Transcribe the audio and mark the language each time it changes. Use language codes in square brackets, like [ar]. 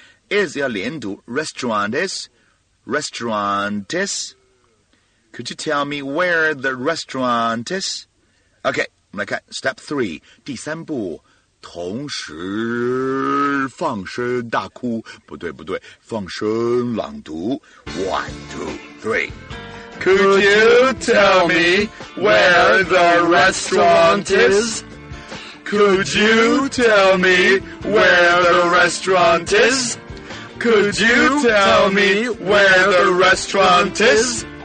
[en] Is [zh] 要连读 [en] ，restaurant is, restaurant is. Could you tell me where the restaurant is? Okay, [zh] 我们来看 [en] step three， [zh] 第三步，同时放声大哭。不对，不对，放声朗读。 [en] One, two, three. Could you tell me where the restaurant is? Could you tell me where the restaurant is? Could you tell me where the restaurant is?